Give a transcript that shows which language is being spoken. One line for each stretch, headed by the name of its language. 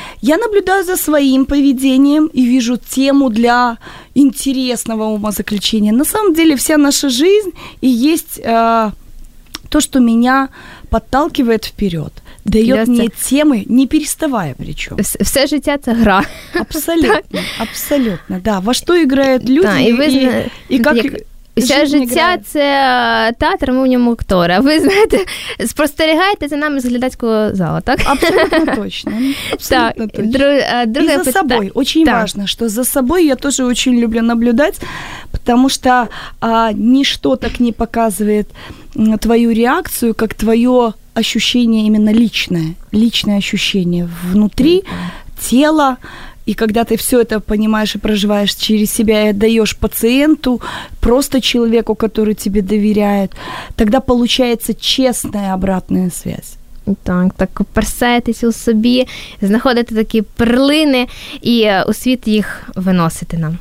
Russian: Я наблюдаю за своим поведением и вижу тему для интересного умозаключения. На самом деле вся наша жизнь и есть то, что меня подталкивает вперед. Дает мне темы, не переставая причем.
Ukrainian: Все життя – це гра.
Russian: Абсолютно, абсолютно, да. Во что играют люди и как...
Ukrainian: Вся життя – це театр, ми в ньому актори. Ви знаєте, спостерігаєте за нами з глядацького залу, так? Абсолютно точно. Абсолютно точно. І за собою. Очень важливо, що за собою я теж дуже люблю наблюдати, тому що ніщо так не показує твою реакцію, як твоє відчуття, іменно личне відчуття внутрі тіла.
Russian: И когда ты все это понимаешь и проживаешь через себя и отдаешь пациенту, просто человеку, который тебе доверяет, тогда получается честная обратная связь.
Ukrainian: Так, так копирсаєтесь у собі, знаходите такі перлини і у світ їх виносити нам.